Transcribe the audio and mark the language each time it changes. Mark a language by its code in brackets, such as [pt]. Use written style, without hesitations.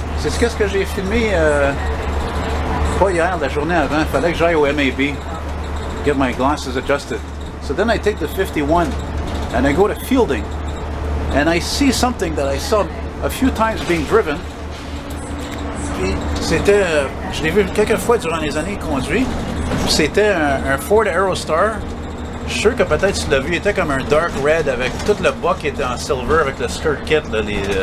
[fr] C'est-tu qu'est-ce que j'ai filmé, pas hier, la journée avant, il fallait que j'aille au MAB, [en] get my glasses adjusted. So then I take the 51, and I go to Fielding, and I see something that I saw a few times being driven. [fr] C'était, je l'ai vu quelques fois durant les années conduites, c'était un Ford Aerostar. Je suis sûr que peut-être tu l'as vu, il était comme un [en] dark red [fr] avec tout le bois qui était en silver avec le skirt kit, là, les...